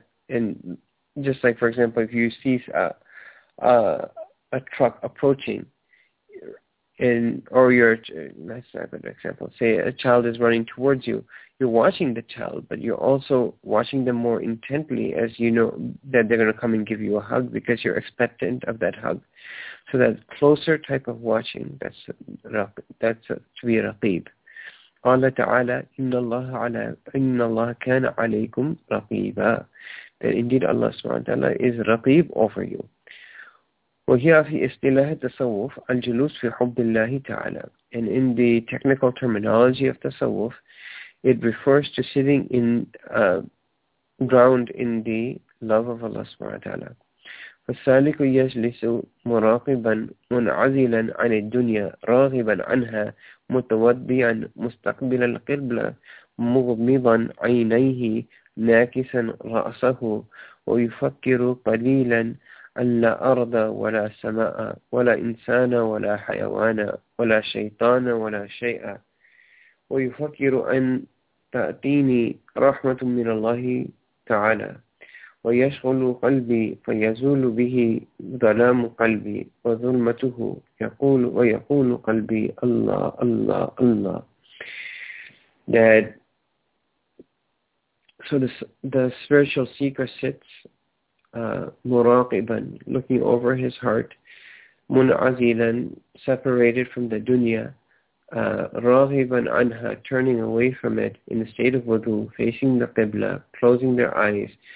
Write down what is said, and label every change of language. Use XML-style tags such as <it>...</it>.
<en>And just like, for example, if you see a truck approaching, and or you're, that's not a good example, say a child is running towards you, you're watching the child, but you're also watching them more intently as you know that they're going to come and give you a hug because you're expectant of that hug. So that closer type of watching, that's to be raqib.</en> <ar>قَالَ تَعَالَى إِنَّ اللَّهَ كَانَ عَلَيْكُمْ رَقِيبًا.</ar> <en>That indeed Allah subhanahu wa ta'ala is raqib over you.</en> <ar>وهي في اصطلاح التصوف الجلوس في حب الله تعالى.</ar> <en>And in the technical terminology of tasawwuf, it refers to sitting in ground in the love of Allah subhanahu wa ta'ala.</en> <ar>فالسالك يجلس مراقبا منعزلا عن الدنيا راغبا عنها متوضيا مستقبل القبلة مغمضا عينيه ناكسا رأسه ويفكر قليلا ألا أرض ولا سماء ولا إنسان ولا حيوان ولا شيطان ولا شيء ويفكر أن تأتيني رحمة من الله تعالى ويشغل قلبي فيزول به ظلام قلبي وظلمته يقول ويقول قلبي الله الله الله.</ar> <en>That so the spiritual seeker sits muraqiban, looking over his heart, munazilan, separated from the dunya,</en> <ar>raghiban anha,</ar> <en>turning away from it, in a state of wudu, facing the qibla, closing their eyes,</en>